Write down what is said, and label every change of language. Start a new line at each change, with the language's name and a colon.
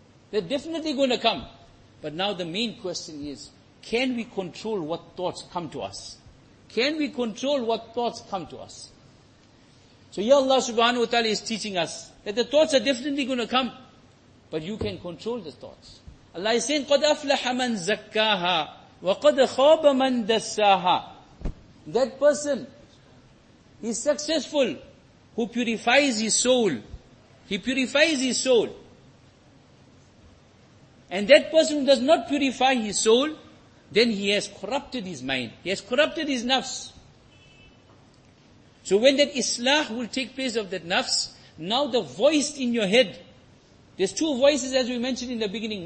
English: They're definitely going to come. But now the main question is, can we control what thoughts come to us? Can we control what thoughts come to us? So here Allah subhanahu wa ta'ala is teaching us that the thoughts are definitely going to come, but you can control the thoughts. Allah is saying,
Arabic: قَدْ أَفْلَحَ مَنْ زَكَّاهَا وَقَدْ خَابَ مَنْ دَسَّاهَا.
English: That person is successful who purifies his soul. He purifies his soul. And that person who does not purify his soul, then he has corrupted his mind. He has corrupted his nafs. So when that islah will take place of that nafs, now the voice in your head, there's two voices as we mentioned in the beginning.